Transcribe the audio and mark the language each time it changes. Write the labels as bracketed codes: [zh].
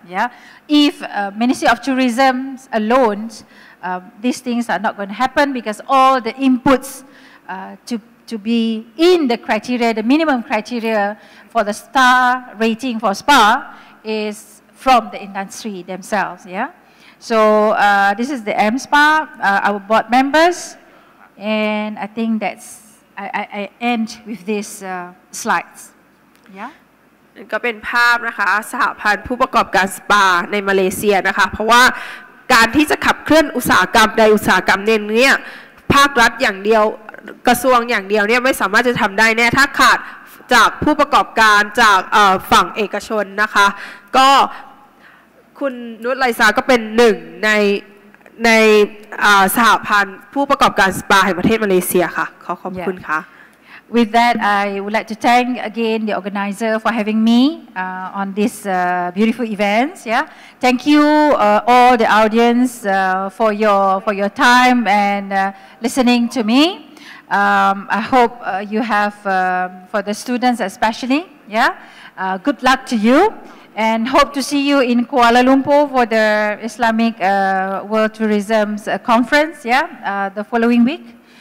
[en] Yeah, if Ministry of Tourism alone, these things are not going to happen because all the inputs to be in the criteria, the minimum criteria for the star rating for spa is from the industry themselves. Yeah. So this is the M-SPA, our board members, and I think that's, I end with this slides. Yeah? [th] ก็เป็นภาพนะคะสหพันธ์ผู้ประกอบการสปาในมาเลเซียนะคะเพราะว่าการที่จะขับเคลื่อนอุตสาหกรรมใดอุตสาหกรรมเนี่ยภาครัฐอย่างเดียวกระทรวงอย่างเดียวเนี่ยไม่สามารถจะทำได้แน่ถ้าขาดจากผู้ประกอบการจากฝั่งเอกชนนะคะก็คุณนุชไลซาก็เป็นหนึ่งในสหพันธ์ผู้ประกอบการสปาแห่งประเทศมาเลเซียค่ะขอบคุณค่ะ [en] With that I would like to thank again the organizer for having me on this beautiful event yeah thank you all the audience for your time and listening to me I hope you have for the students especially yeah good luck to youAnd hope to see you in Kuala Lumpur for the Islamic World Tourism Conference, yeah, the following week.